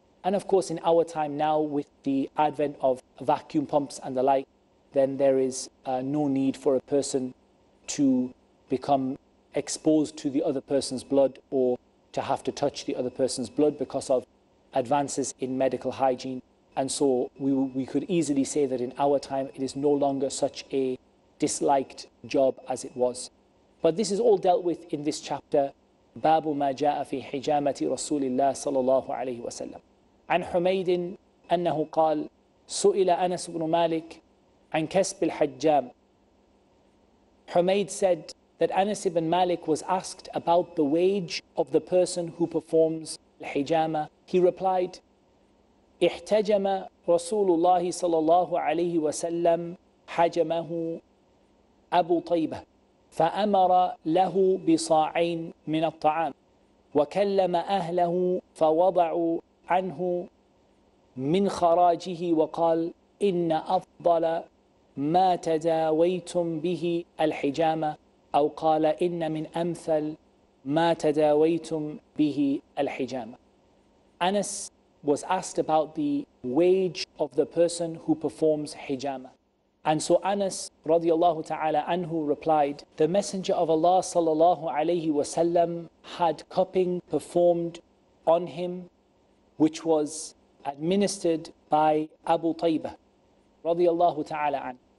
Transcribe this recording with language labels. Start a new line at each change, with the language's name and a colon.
English: And of course, in our time now, with the advent of vacuum pumps and the like, then there is no need for a person to become exposed to the other person's blood or to have to touch the other person's blood because of advances in medical hygiene. And so we could easily say that in our time, it is no longer such a disliked job as it was. But this is all dealt with in this chapter, Babu
Arabic: ما جاء في حجامة رسول الله صلى الله عليه وسلم. عن حميد أنه قال سئل أنس بن مالك عن كسب الحجام.
English: Humayd said that Anas ibn Malik was asked about the wage of the person who performs al-hijama. He replied,
Arabic: احتجمَ رسول الله صلى الله عليه وسلم حجمه أبو طيبة فأمر له بصاعين من الطعام وكلم أهله فوضعوا عنه من خراجه وقال إن أفضل ما تداويتم به الحجامة أو قال إن من أمثل ما تداويتم به الحجامة.
English: Anas was asked about the wage of the person who performs hijama. And so Anas radiallahu ta'ala anhu replied, the Messenger of Allah sallallahu alayhi wa sallam had cupping performed on him, which was administered by Abu Taybah radiallahu ta'ala anhu.